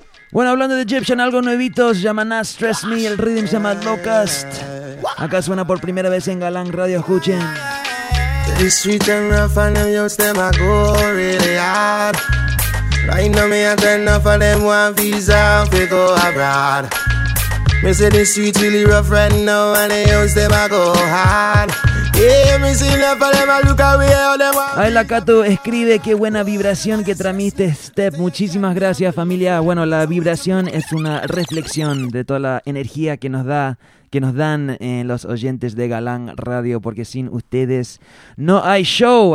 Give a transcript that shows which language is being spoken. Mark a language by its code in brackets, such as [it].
[es] Bueno, hablando de Egyptian, algo nuevito, se llama Nas, Stress Me, el rhythm se llama Locust. Acá suena por primera vez en Galán Radio, escuchen. [en] Sweet and rough, and them youths them a go really hard. Right now me a turn up for them one visa to go abroad. Me say the streets really rough right now, and the youths them a go hard. Yeah, me see enough of them a look away, all them a... [es] Ahí la Cato escribe, qué buena vibración que tramiste, Step. Muchísimas gracias, familia. Bueno, la vibración es una reflexión de toda la energía que nos da, que nos dan los oyentes de Galán Radio, porque sin ustedes no hay show.